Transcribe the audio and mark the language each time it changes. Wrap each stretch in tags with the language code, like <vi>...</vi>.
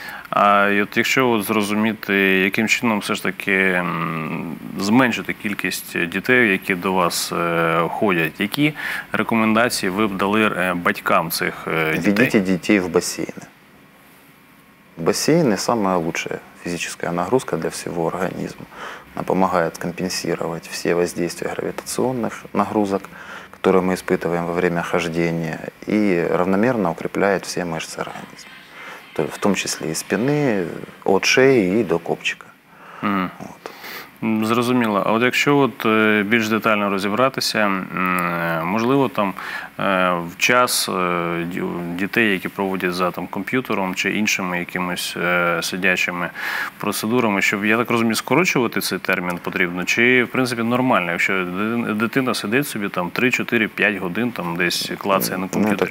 <uk>А от якщо от зрозуміти, яким чином все ж таки зменшити кількість дітей, які до вас ходять, які рекомендації ви б дали батькам цих дітей? Ведіть дітей в басейни. Басейни – самая лучшая фізична нагрузка для всього організму. Вона допомагає компенсувати всі</uk> <ru>воздействия гравітаційних нагрузок, которые мы испытываем во время хождения, и равномерно укрепляет все мышцы организма, в том числе и спины, от шеи и до копчика.</ru> <uk>Вот. Зрозуміло. А от якщо от більш детально розібратися, можливо, там в час дітей, які проводять за там комп'ютером чи іншими якимись сидячими процедурами, щоб, я так розумію, скорочувати цей термін потрібно, чи в принципі нормально, якщо дитина сидить собі там 3-4-5 годин там десь клацає на комп'ютері?</uk>